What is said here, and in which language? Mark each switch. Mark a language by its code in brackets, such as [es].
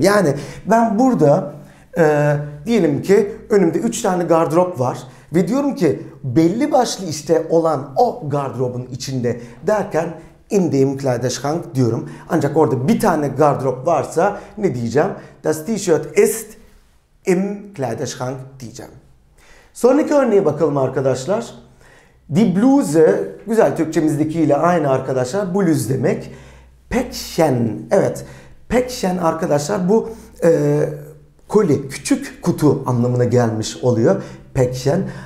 [tr] Yani ben burada diyelim ki önümde 3 tane gardırop var ve diyorum ki belli başlı işte olan o gardırobun içinde derken [de] in dem Kleiderschrank [tr] diyorum. Ancak orada bir tane gardırop varsa ne diyeceğim? [de] Das T-shirt ist im Kleiderschrank [tr] diyeceğim. Sonraki örneğe bakalım arkadaşlar. Die Bluse, güzel Türkçemizdekiyle aynı arkadaşlar. Bluz demek. Päckchen, evet. Päckchen arkadaşlar bu koli, küçük kutu anlamına gelmiş oluyor. Päckchen.